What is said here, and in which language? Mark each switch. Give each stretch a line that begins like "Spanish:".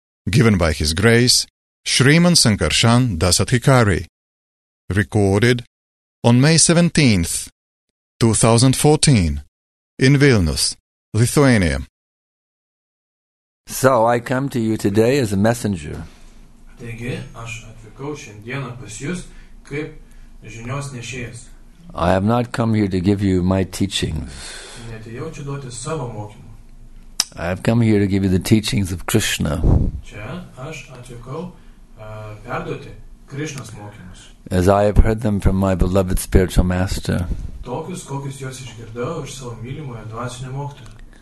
English: Given by His Grace, Sriman Sankarshan Dasadhikari. Recorded on May 17th, 2014, in Vilnius, Lithuania. So I come to you today as a messenger.
Lithuanian: Taigi, aš atvykau šiandieną pas jūs kaip žinios nešėjas.
English: I have not come here to give you my teachings.
Lithuanian: Neatėjau čia duoti savo mokymą.
English: I have come here to give you the teachings of Krishna.
Lithuanian: Čia aš atvykau perduoti Krishnas mokymus.
English: As I have heard them from my beloved spiritual master.
Lithuanian: Tokius, kokius jos išgirdau iš savo mylimojo dvasinio mokytojo.